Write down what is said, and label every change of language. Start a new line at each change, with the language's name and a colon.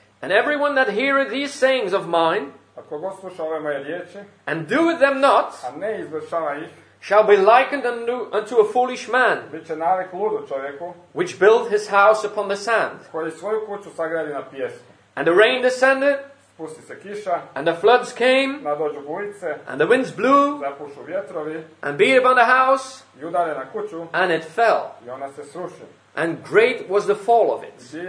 English: And everyone that heareth these sayings of mine,
Croatian: ako god sluša ove moje riječi,
English: and doeth them not,
Croatian: a ne izvršava ih,
English: shall be likened unto a foolish man,
Croatian: bit će nalik ludu čovjeku,
English: which built his house upon the sand,
Croatian: koji svoju kuću sagradi na pijesku.
English: And the rain descended,
Croatian: spusti se kiša,
English: and the floods came,
Croatian: nadođu bujice,
English: and the winds blew,
Croatian: zapušu vjetrovi,
English: and beat upon the house,
Croatian: i udare na kuću,
English: and it fell,
Croatian: i ona se sruši.
English: And great was the fall of it.